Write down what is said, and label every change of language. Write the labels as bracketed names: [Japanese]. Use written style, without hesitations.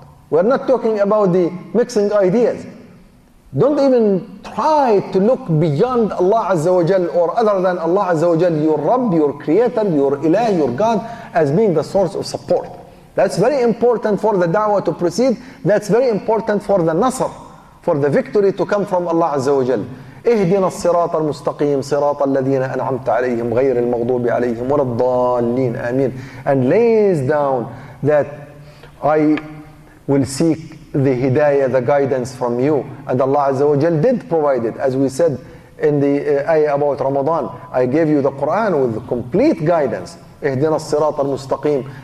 [English] We're not talking about the mixing ideas. Don't even try to look beyond Allah Azza wa Jal or other than Allah Azza wa Jal, your Rabb, your Creator, your Ilah, your God, as being the source of support. That's very important for the da'wah to proceed. That's very important for the nasr, for the victory to come from Allah Azza wa Jal. [Arabic] اهدنا الصراط المستقيم صراط الذين أنعمت عليهم غير المغضوب عليهم ولا الضالين آمين. [English] And lays down that I will seek the hidayah, the guidance from you. And Allah Azza wa Jal did provide it. As we said in the ayah about Ramadan, I gave you the Quran with complete guidance. [Arabic] اهدنا الصراط المستقيم.